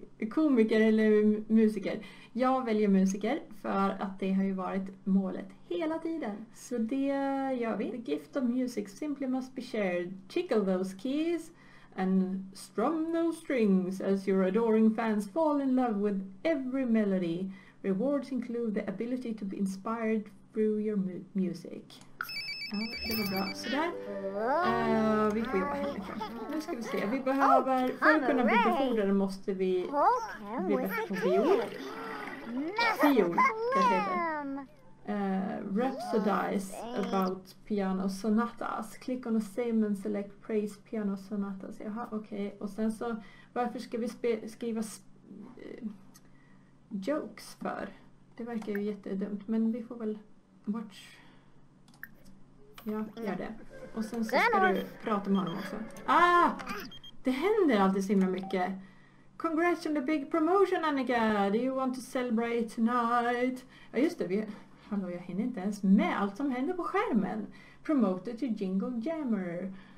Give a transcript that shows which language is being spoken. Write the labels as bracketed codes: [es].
[sv] Komiker eller musiker? Jag väljer musiker för att det har ju varit målet hela tiden. Så det gör vi. [en] The gift of music simply must be shared. Tickle those keys and strum those strings as your adoring fans fall in love with every melody. Rewards include the ability to be inspired through your music. [sv] det var bra. Sådär. Vi får jobba hemifrån. Nu ska vi se. Vi behöver, för att kunna bygga fordare måste vi bli bättre på fjol. Fjol, det heter. [en] Rhapsodize about piano sonatas. Click on the same and select praise piano sonatas. [sv] Jaha, okej. Okay. Och sen så, varför ska vi skriva jokes för? Det verkar ju jättedumt, men vi får väl watch. Ja, gör det. Och sen så ska du prata med honom också. Ah! Det händer alltid så himla mycket. [en] Congrats on the big promotion, Annika! Do you want to celebrate tonight? [sv] Ja, just det. Hallå, jag hinner inte ens med allt som händer på skärmen. [en] Promoted to Jingle Jammer.